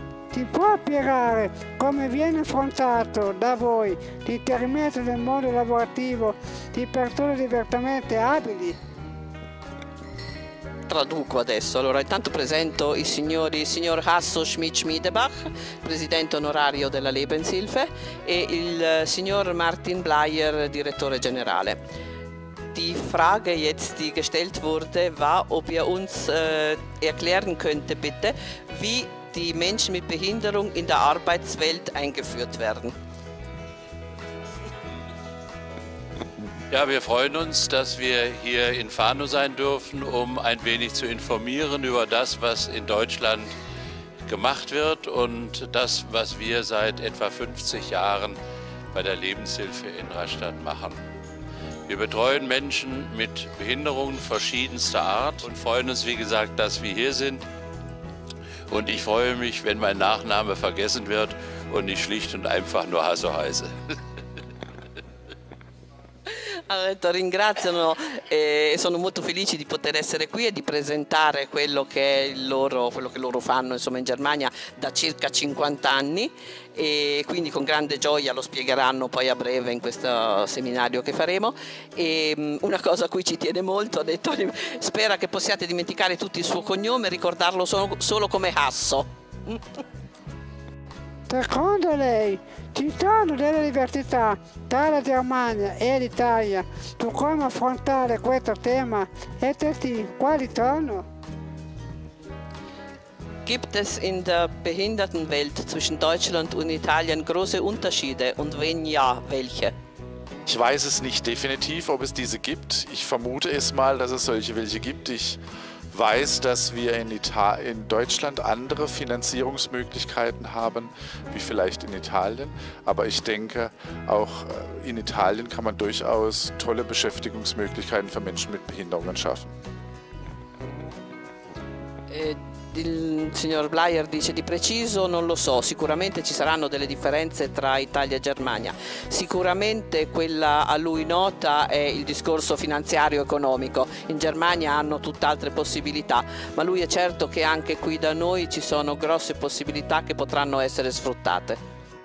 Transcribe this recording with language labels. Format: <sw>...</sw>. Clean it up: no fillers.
<it>Si può spiegare come viene affrontato da voi l'inserimento nel mondo lavorativo di persone diversamente abili? Traduco adesso. Allora, intanto presento il signor Hasso Schmidt-Schmiedebach, presidente onorario della Lebenshilfe, e il signor Martin Bleier, direttore generale.</it> <de>Die Frage jetzt, die gestellt wurde, war, ob ihr uns erklären könnte, bitte, wie die Menschen mit Behinderung in der Arbeitswelt eingeführt werden. Ja, wir freuen uns, dass wir hier in Fano sein dürfen, um ein wenig zu informieren über das, was in Deutschland gemacht wird und das, was wir seit etwa 50 Jahren bei der Lebenshilfe in Rastatt machen. Wir betreuen Menschen mit Behinderungen verschiedenster Art und freuen uns, wie gesagt, dass wir hier sind. Und ich freue mich, wenn mein Nachname vergessen wird und ich schlicht und einfach nur Hasso heiße.</de> <it>Allora, ringraziano e sono molto felice di poter essere qui e di presentare quello che loro fanno, insomma, in Germania da circa 50 anni, e quindi con grande gioia lo spiegheranno poi a breve in questo seminario che faremo. E una cosa a cui ci tiene molto, ha detto, spera che possiate dimenticare tutti il suo cognome e ricordarlo solo come Hasso. Secondo lei ci sono delle diversità tra la Germania e l'Italia su come affrontare questo tema? E se sì, quali sono?</it> <de>Gibt es in der Behindertenwelt zwischen Deutschland und Italien große Unterschiede und wenn ja, welche? Ich weiß es nicht definitiv, ob es diese gibt. Ich vermute es mal, dass es welche gibt. Ich weiß, dass wir in Deutschland andere Finanzierungsmöglichkeiten haben, wie vielleicht in Italien. Aber ich denke, auch in Italien kann man durchaus tolle Beschäftigungsmöglichkeiten für Menschen mit Behinderungen schaffen.</de> <it>Il signor Bleier dice: di preciso non lo so, sicuramente ci saranno delle differenze tra Italia e Germania. Sicuramente quella a lui nota è il discorso finanziario economico. In Germania hanno tutt'altre possibilità, ma lui è certo che anche qui da noi ci sono grosse possibilità che potranno essere sfruttate.</it>